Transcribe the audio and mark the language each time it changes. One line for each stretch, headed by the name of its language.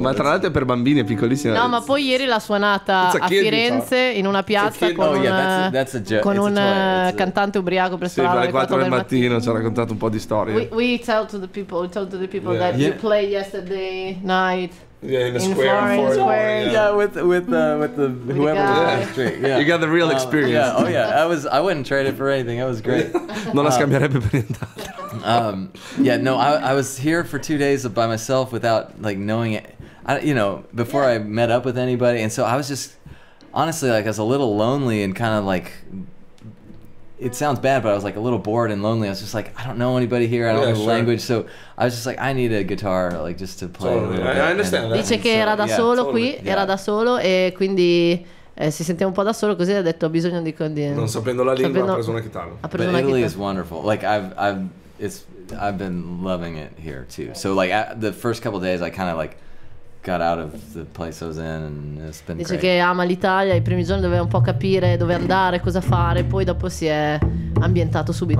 Italian: Ma tra l'altro è per bambini, è piccolissima. No, ma poi ieri l'ha suonata a Firenze in una piazza con un cantante ubriaco per strada. Sì, alle 4 del mattino ci ha raccontato un po' di storie.
English: We told to the people that you played yesterday night. Yeah, in the square. With whoever was on the street. Yeah. You got the real experience. Yeah. Oh yeah, I wouldn't trade it for anything. That was great.
Italian: Non la scambierebbe per niente.
English: Yeah, no, I was here for 2 days by myself without like knowing it. I met up with anybody, and so I was just honestly like I was a little lonely and kind of like. It sounds bad, but I was like a little bored and lonely. I was just like, I don't know anybody here. I don't know the language, so I was just like, I need a guitar, like just to play. Totally. A little bit. I understand that.
Italian: Dice che era da solo qui, era da solo e quindi si sentiva un po' da solo. Così ha detto, ho bisogno di non sapendo la lingua, ha preso una chitarra.
English: But Italy is wonderful. Like I've I've been loving it here too. So like the first couple of days I kind of like got out of the place I was in and it's been great.
Italian: Dice che ama l'Italia, i primi giorni doveva un po' capire dove andare, cosa fare, poi dopo si è ambientato subito.